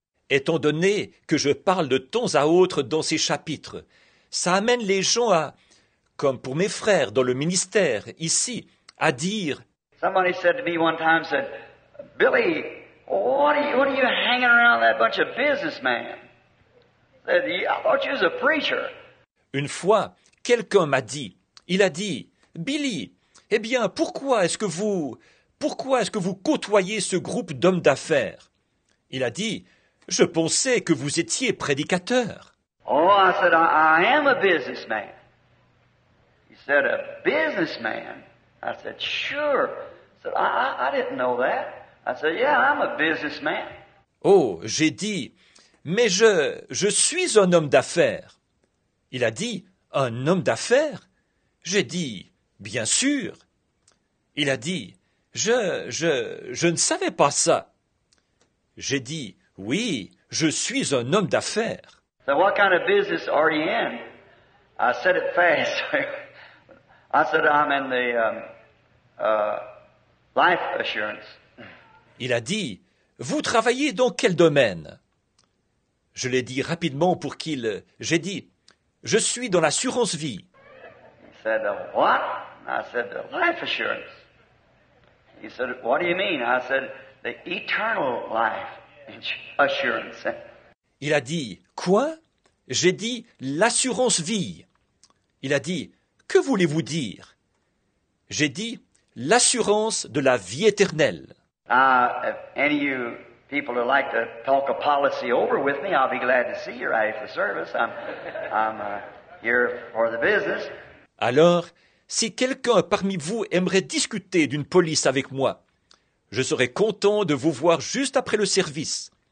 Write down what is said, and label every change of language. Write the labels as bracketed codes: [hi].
[fr] Étant donné que je parle de temps à autre dans ces chapitres, ça amène les gens à, comme pour mes frères dans le ministère ici, à dire. [en] Somebody said to me one time, said, Billy, what are you hanging around that bunch of businessmen? I thought you was a preacher. [fr] Une fois, quelqu'un m'a dit, il a dit, Billy, eh bien, pourquoi est-ce que vous côtoyez ce groupe d'hommes d'affaires? Il a dit, je pensais que vous étiez prédicateur. [en] Oh, I said, I am a businessman. He said, a businessman? I said, sure. I said, I didn't know that. I said, yeah, I'm a businessman. [fr] Oh, j'ai dit, mais je suis un homme d'affaires. Il a dit, un homme d'affaires? J'ai dit, bien sûr. Il a dit, je ne savais pas ça. J'ai dit, oui, je suis un homme d'affaires. [en] So what kind of business are you in? I said it fast. I said, I'm in the life assurance. [fr] Il a dit, vous travaillez dans quel domaine? Je l'ai dit rapidement pour qu'il... J'ai dit, je suis dans l'assurance vie. [en] He said, what? I said, the life assurance. He said, what do you mean? I said, the eternal life assurance. [fr] Il a dit, quoi? J'ai dit, l'assurance vie. Il a dit, que voulez-vous dire? J'ai dit, l'assurance de la vie éternelle. [en] If any of you people would like to talk a policy over with me, I'll be glad to see you right after service. I'm here for the business. [fr] Alors, si quelqu'un parmi vous aimerait discuter d'une police avec moi, je serais content de vous voir juste après le service.